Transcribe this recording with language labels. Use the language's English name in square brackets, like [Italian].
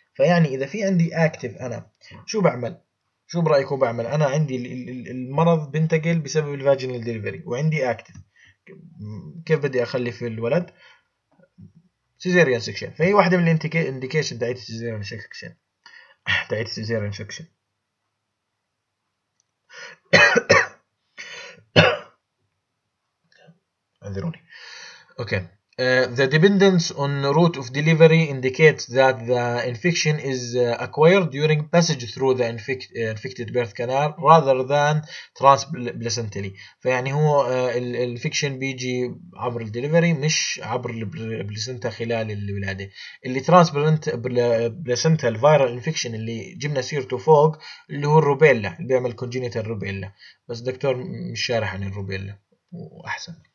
[Arabic] فيعني إذا في عندي active أنا شو بعمل؟ شو برأيكم بعمل؟ أنا عندي المرض بنتقل بسبب الفاجينال delivery وعندي active، كيف بدي اخلي في الولد سيزيريان سكشن؟ فهي واحده من الانديكيشن تاعت سيزيريان سكشن اعذروني. [English] Okay the dependence on route of delivery indicates that the infection is acquired during passage through the infected birth canal rather than transplacentally. [Arabic] فيعني هو الانفكشن بيجي عبر الدليفري مش عبر البلاسنتا خلال الولادة. اللي ترانسبلنت بلاسنتا الفيرال انفكشن اللي جبنا سيرته فوق اللي هو الروبيلا اللي بيعمل كونجينيتال روبيلا، بس دكتور مش شارح عن الروبيلا واحسن.